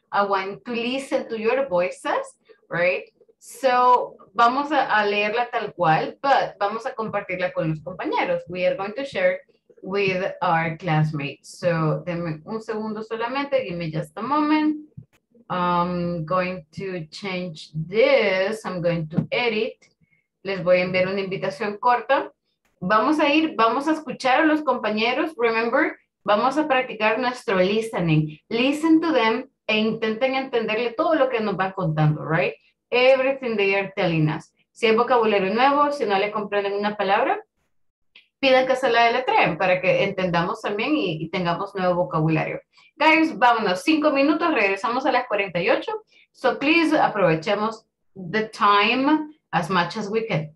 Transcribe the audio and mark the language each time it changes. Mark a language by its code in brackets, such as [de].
[en] I want to listen to your voices, right? [es] So, vamos a leerla tal cual, but vamos a compartirla con los compañeros. [en] We are going to share with our classmates. So, [es] denme un segundo solamente, [en] give me just a moment. I'm going to change this, I'm going to edit. [es] Les voy a enviar una invitación corta. Vamos a ir, vamos a escuchar a los compañeros. [en] Remember, [es] vamos a practicar nuestro listening. [en] Listen to them [es] e intenten entenderle todo lo que nos van contando, right? [en] Everything they are telling us. [es] Si hay vocabulario nuevo, si no le comprenden una palabra, pidan que se la deletreen para que entendamos también y tengamos nuevo vocabulario. Guys, vámonos. 5 minutos, regresamos a las 48. [en] So please, [es] aprovechemos [en] the time as much as we can.